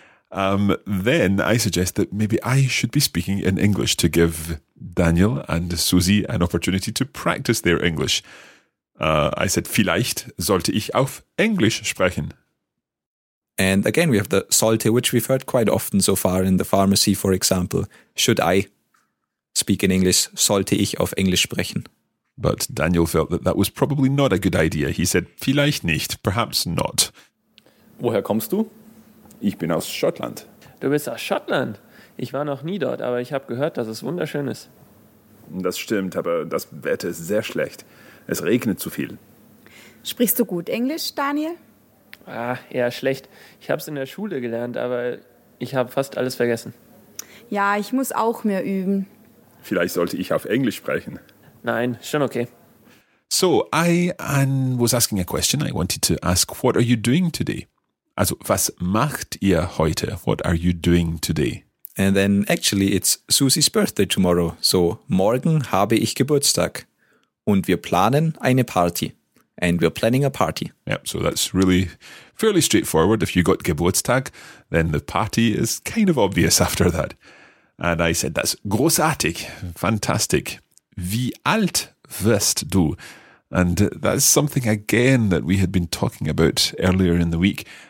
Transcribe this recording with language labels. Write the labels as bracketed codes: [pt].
[en] Then I suggest that maybe I should be speaking in English to give Daniel and Susie an opportunity to practice their English. I said, [de] vielleicht sollte ich auf Englisch sprechen. [en] And again, we have the sollte, which we've heard quite often so far in the pharmacy, for example. Should I speak in English? [de] Sollte ich auf Englisch sprechen? [en] But Daniel felt that that was probably not a good idea. He said, [de] vielleicht nicht, [en] perhaps not. [de] Woher kommst du? Ich bin aus Schottland. Du bist aus Schottland? Ich war noch nie dort, aber ich habe gehört, dass es wunderschön ist. Das stimmt, aber das Wetter ist sehr schlecht. Es regnet zu viel. Sprichst du gut Englisch, Daniel? Ah, eher schlecht. Ich habe es in der Schule gelernt, aber ich habe fast alles vergessen. Ja, ich muss auch mehr üben. Vielleicht sollte ich auf Englisch sprechen. Nein, schon okay. [en] So, I was asking a question. I wanted to ask, what are you doing today? [de] Also, was macht ihr heute? [en] What are you doing today? And then, actually, it's Susie's birthday tomorrow. [de] So, morgen habe ich Geburtstag. Und wir planen eine Party. [en] And we're planning a party. Yep, so that's really fairly straightforward. If you got Geburtstag, then the party is kind of obvious after that. And I said, that's großartig, fantastic. [de] Wie alt wirst du? [en] And that's something, again, that we had been talking about earlier in the week.